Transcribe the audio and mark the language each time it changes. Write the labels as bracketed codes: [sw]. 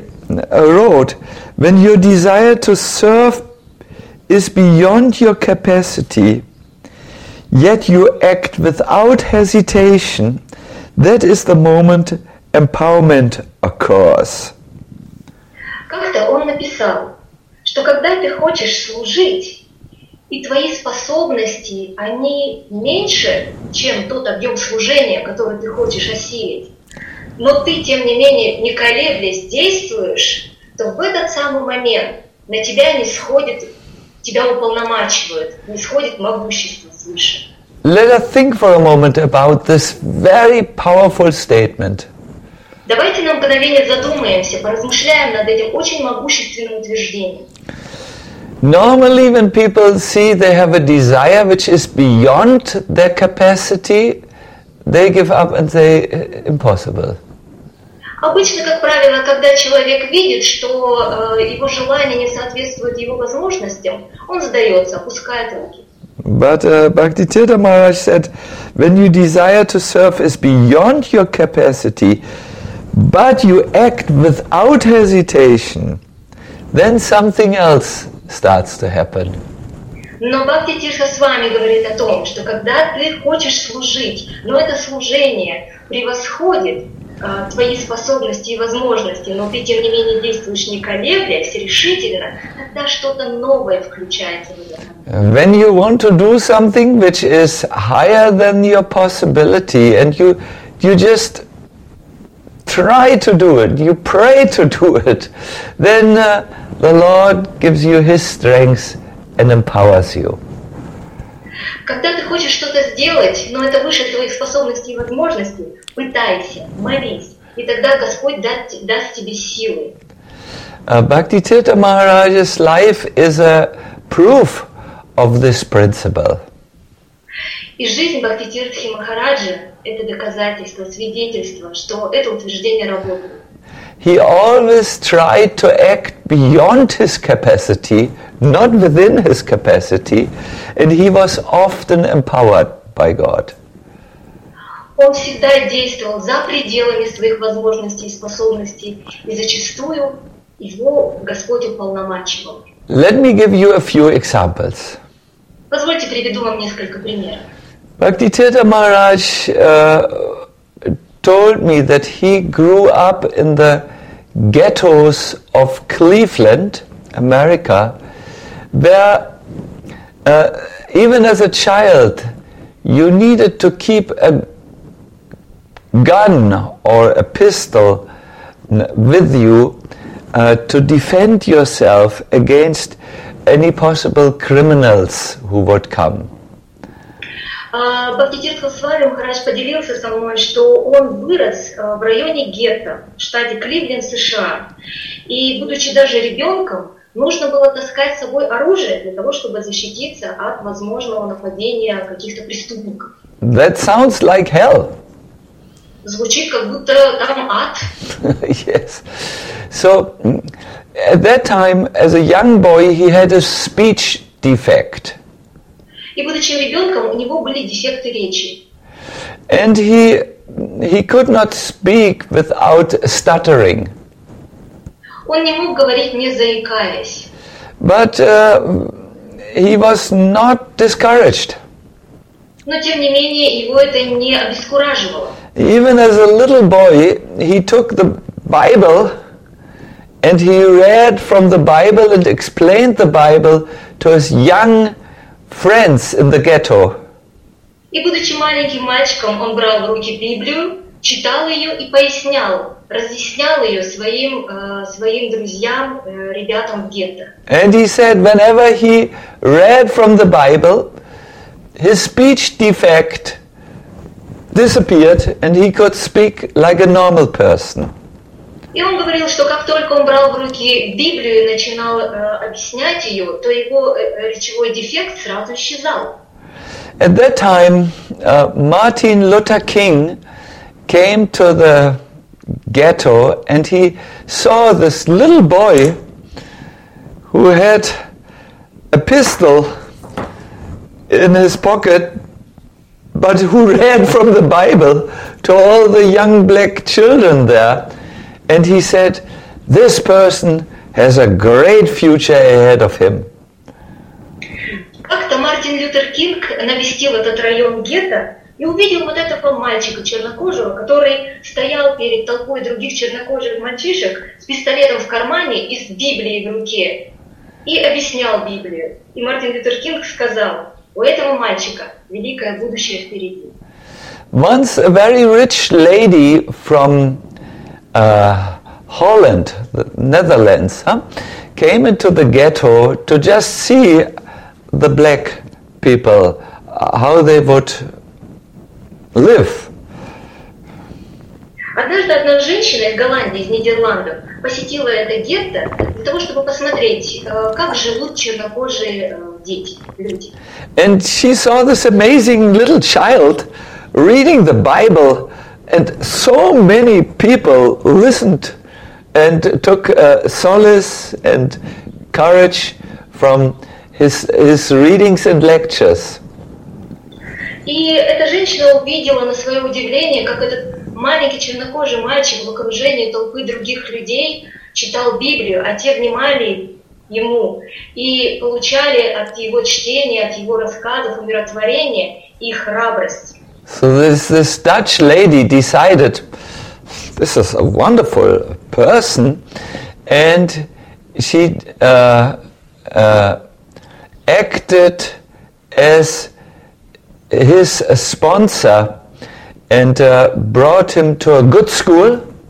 [en] Wrote, when your desire to serve is beyond your capacity, yet you act without hesitation, that is the moment empowerment occurs. [ru] Как-то он написал, что когда ты хочешь служить, и твои способности, они меньше, чем тот объем служения, который ты хочешь осилить, но ты, тем не менее, не колеблясь, действуешь, то в этот самый момент на тебя не сходит, тебя уполномачивают, не сходит могущество свыше. [en] Let us think for a moment about this very powerful statement. [ru] Давайте на мгновение задумаемся, поразмышляем над этим очень могущественным утверждением. [en] Normally, when people see they have a desire which is beyond their capacity, they give up and say, impossible. [ru] Обычно, как правило, когда человек видит, что его желание не соответствует его возможностям, он сдается, опускает руки. [en] But Bhaktisiddhanta Maharaj said, when you desire to serve is beyond your capacity, but you act without hesitation, then something else starts to happen. [ru] Но Бхактитирта с вами говорит о том, что когда ты хочешь служить, но это служение превосходит твои способности и возможности, но ты тем не менее действуешь не колеблясь, решительно, тогда что-то новое включается в это. [en] When you want to do something which is higher than your possibility, and you just try to do it, you pray to do it, then the Lord gives you His strength and empowers you. [ru] Когда ты хочешь что-то сделать, но это выше твоих способностей и возможностей, пытайся, молись, и тогда Господь даст тебе силы. [en] Bhaktisiddhanta Maharaj's life is a proof of this principle. [ru] И жизнь Бхактитирты Махараджи – это доказательство, свидетельство, что это утверждение работает. [en] He always tried to act beyond his capacity, not within his capacity, and he was often empowered by God. [ru] Он всегда действовал за пределами своих возможностей и способностей, и зачастую его Господь уполномачивал. [en] Let me give you a few examples. [ru] Позвольте приведу вам несколько примеров. [en] Bhaktisiddhanta Maharaj told me that he grew up in the ghettos of Cleveland, America, where even as a child you needed to keep a gun or a pistol with you to defend yourself against any possible criminals who would come. [ru] Бхактитирта с вами Махарадж поделился со мной, что он вырос в районе гетто в штате Кливленд, США. И, будучи даже ребенком, нужно было таскать с собой оружие для того, чтобы защититься от возможного нападения каких-то преступников. [en] That sounds like hell. [ru] Звучит, как будто там ад. [en] Yes. So, at that time, as a young boy, he had a speech defect. [ru] И будучи ребенком, у него были дефекты речи. [en] And he could not speak without stuttering. [ru] Он не мог говорить, не заикаясь. [en] But he was not discouraged. [ru] Но тем не менее, его это не обескураживало. [en] Even as a little boy, he took the Bible and he read from the Bible and explained the Bible to his young friends in the ghetto. [ru] И будучи маленьким мальчиком, он брал в руки Библию, читал ее и пояснял, разъяснял ее своим друзьям, ребятам в гетто. [en] And he said, whenever he read from the Bible, his speech defect disappeared and he could speak like a normal person. [ru] И он говорил, что как только он брал в руки Библию и начинал объяснять ее, то его речевой дефект сразу исчезал. [en] At that time, Martin Luther King came to the ghetto and he saw this little boy who had a pistol in his pocket, but who ran from the Bible to all the young black children there. And he said, this person has a great future ahead of him. [ru] Как-то Мартин Лютер Кинг навестил этот район гетто и увидел вот этого мальчика чернокожего, который стоял перед толпой других чернокожих мальчишек с пистолетом в кармане и с Библией в руке и объяснял Библию. И Мартин Лютер Кинг сказал, у этого мальчика великое будущее впереди. [en] Once a very rich lady from Holland, the Netherlands, came into the ghetto to just see the black people, how they would live. [ru] Однажды одна женщина из Голландии, из Нидерландов, посетила это гетто для того, чтобы посмотреть, как живут чернокожие дети, люди. [en] And she saw this amazing little child reading the Bible, and so many people listened and took solace and courage from his readings and lectures. [ru] И эта женщина увидела на свое удивление, как этот маленький чернокожий мальчик в окружении толпы других людей читал Библию, а те внимали ему и получали от его чтения, от его рассказов умиротворение и храбрость. [en] So this Dutch lady decided, this is a wonderful person, and she acted as his sponsor and brought him to a good school.